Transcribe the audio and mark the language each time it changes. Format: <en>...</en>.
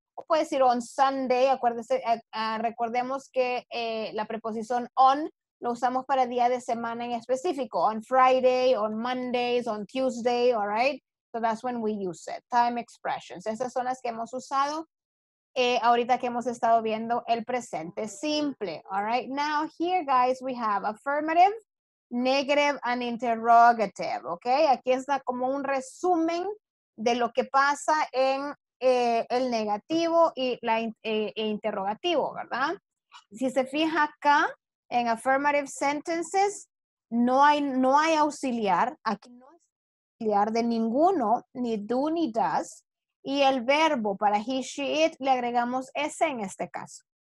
<es>O puede decir</es> <en>on Sunday,</en> <es>acuérdese, recordemos que la preposición on lo usamos para día de semana en específico.</es> <en>On Friday, on Mondays, on Tuesday, all right? So that's when we use it. Time expressions.</en> <es>Esas son las que hemos usado ahorita que hemos estado viendo el presente simple, all right?</es> <en>Now here, guys, we have affirmative, negative, and interrogative, okay?</en> <es>Aquí está como un resumen de lo que pasa en el negativo y la interrogativo, ¿verdad? Si se fija acá en affirmative sentences, no hay auxiliar, aquí no es auxiliar de ninguno, ni do ni does, y el verbo para he, she, it le agregamos s en este caso.</es>